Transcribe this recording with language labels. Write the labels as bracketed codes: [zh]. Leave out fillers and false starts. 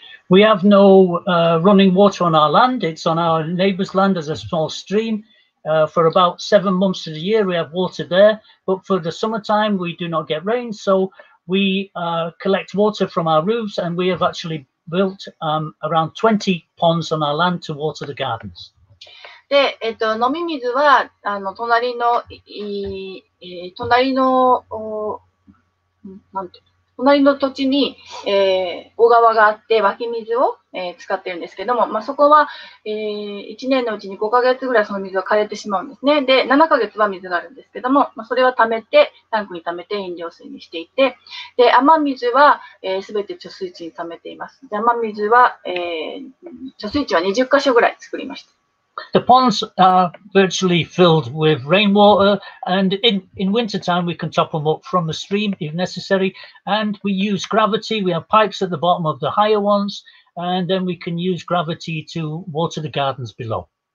[en] We have no, running water on our land. It's on our neighbor's land as a small stream. For about 7 months of the year, we have water there. But for the summertime, we do not get rain. So we, collect water from our roofs, and we have actually built, around 20 ponds on our land to water the gardens. [ja] で、飲み水は、隣の土地に、小川があって湧き水を、使ってるんですけども、そこは、1年のうちに5ヶ月ぐらいその水は枯れてしまうんですね。で、7ヶ月は水があるんですけども、それは貯めて、タンクに貯めて飲料水にしていて、で、雨水は、全て貯水池に貯めています。で、雨水は、貯水池は20箇所ぐらい作りました。 [en] The ponds are virtually filled with rainwater, and in winter time we can top them up from the stream if necessary. And we use gravity. We have pipes at the bottom of the higher ones, and then we can use gravity to water the gardens below.